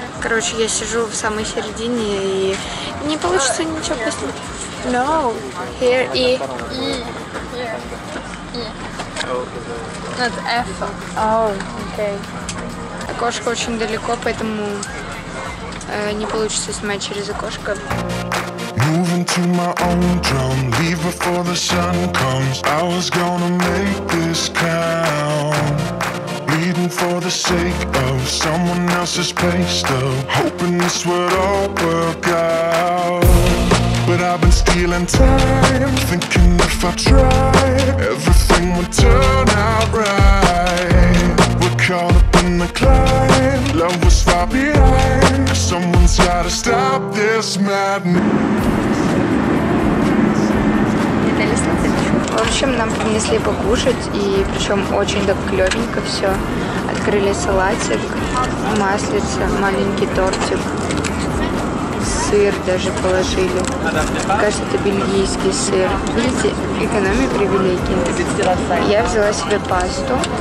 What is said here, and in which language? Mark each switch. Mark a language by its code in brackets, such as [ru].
[ru] Короче, я сижу в самой середине и не получится ничего поснять. [en] No, here E. E, here. E. Not F. [ru] Oh, окей. Окошко очень далеко, поэтому не получится снимать через окошко. [en] Moving to my own drum, leave before the sun comes. I was gonna make this count. Bleeding for the sake of someone else's pace, though. Hoping this would all work out. But I've been stealing time, thinking if I try, everything would turn out right. We're caught up in the climb, love was far behind. Someone's gotta stop this madness. [ru] В общем, нам принесли покушать, и причем очень так клевенько все. Открыли салатик, маслица, маленький тортик, сыр даже положили. Кажется, это бельгийский сыр. Видите, экономия привилегий. Я взяла себе пасту.